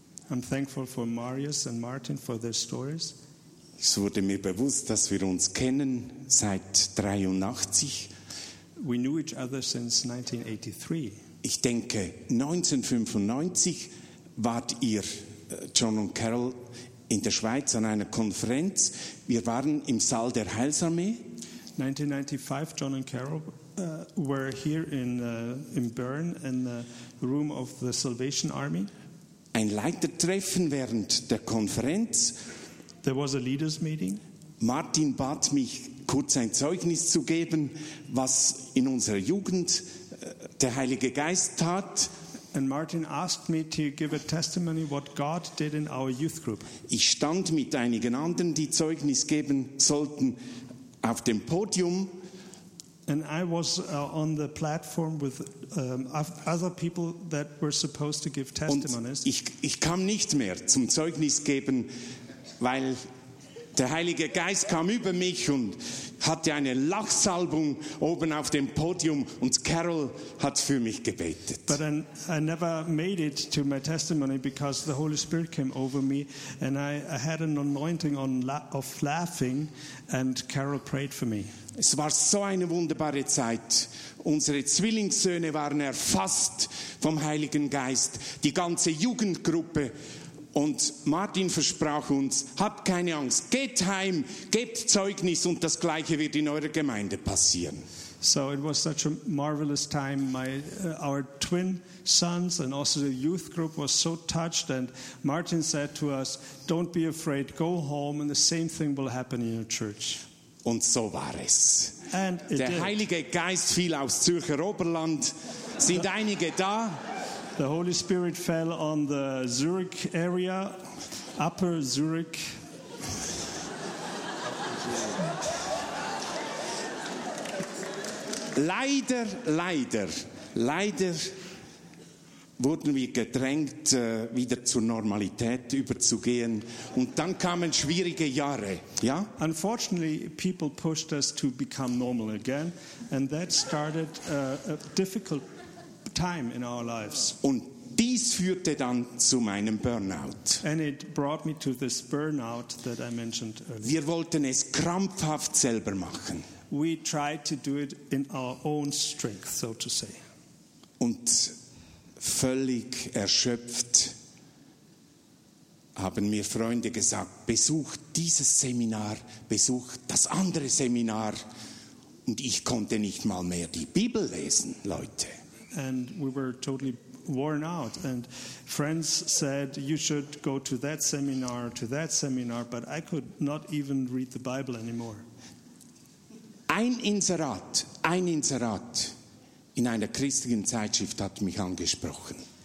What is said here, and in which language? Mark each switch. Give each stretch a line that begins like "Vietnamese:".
English: I'm thankful for Marius and Martin for their stories.
German: Es wurde mir bewusst, dass wir uns kennen seit 83.
English: We knew each other since 1983.
German: Ich denke, 1995 wart ihr, John und Carol, in der Schweiz an einer Konferenz. Wir waren im Saal der Heilsarmee.
English: 1995, John and Carol were here in Bern in the room of the Salvation Army.
German: Ein Leitertreffen während der Konferenz.
English: There was a leaders meeting.
German: Martin bat mich, kurz ein Zeugnis zu geben, was in unserer Jugend der Heilige Geist tat.
English: And Martin asked me to give a testimony what God did in our youth group.
German: Ich stand mit einigen anderen, die Zeugnis geben sollten, auf dem Podium.
English: And I was on the platform with other people that were supposed to give testimonies.
German: Und ich kam nicht mehr zum Zeugnis geben, weil der Heilige Geist kam über mich und hatte eine Lachsalbung oben auf dem Podium und Carol hat für mich gebetet.
English: But I never made it to my testimony because the Holy Spirit came over me and I had an anointing of laughing and Carol prayed for me.
German: Es war so eine wunderbare Zeit. Unsere Zwillingssöhne waren erfasst vom Heiligen Geist, die ganze Jugendgruppe. Und Martin versprach uns, habt keine Angst, geht heim, gebt Zeugnis und das Gleiche wird in eurer Gemeinde passieren.
English: So it was such a marvelous time. Our twin sons and also the youth group was so touched and Martin said to us, don't be afraid, go home and the same thing will happen in your church.
German: Und so war es.
English: And it
German: Der
English: did.
German: Heilige Geist fiel aus Zürcher Oberland, sind einige da.
English: The Holy Spirit fell on the Zurich area, Upper Zurich.
German: Leider wurden wir gedrängt, wieder zur Normalität überzugehen. Und dann kamen schwierige Jahre. Ja?
English: Unfortunately, people pushed us to become normal again. And that started a difficult time in our lives.
German: Und dies führte dann zu meinem Burnout.
English: And it brought me to this burnout that I mentioned earlier.
German: Wir wollten es krampfhaft selber machen.
English: We tried to do it in our own strength, so to say.
German: Und völlig erschöpft haben mir Freunde gesagt, besuch dieses Seminar, besuch das andere Seminar. Und ich konnte nicht mal mehr die Bibel lesen, Leute.
English: And we were totally worn out. And friends said, you should go to that seminar, but I could not even read the Bible anymore.
German: Ein Inserat in einer christlichen Zeitschrift hat mich angesprochen.